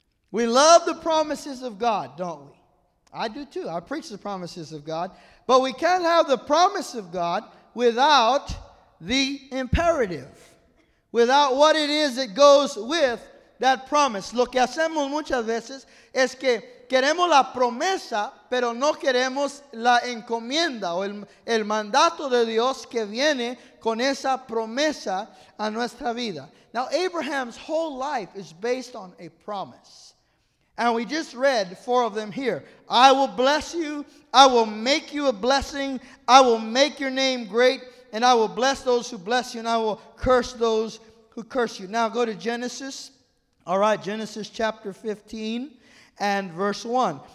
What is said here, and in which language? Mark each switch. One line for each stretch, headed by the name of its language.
English: We love the promises of God, don't we? I do too. I preach the promises of God. But we can't have the promise of God without the imperative, without what it is that goes with that promise.
Spanish: Lo que hacemos muchas veces es que queremos la promesa, pero no queremos la encomienda o el mandato de Dios que viene con esa promesa a nuestra vida.
English: Now, Abraham's whole life is based on a promise. And we just read four of them here. I will bless you. I will make you a blessing. I will make your name great. And I will bless those who bless you. And I will curse those who curse you. Now go to Genesis. All right, Genesis chapter 15 and verse 1.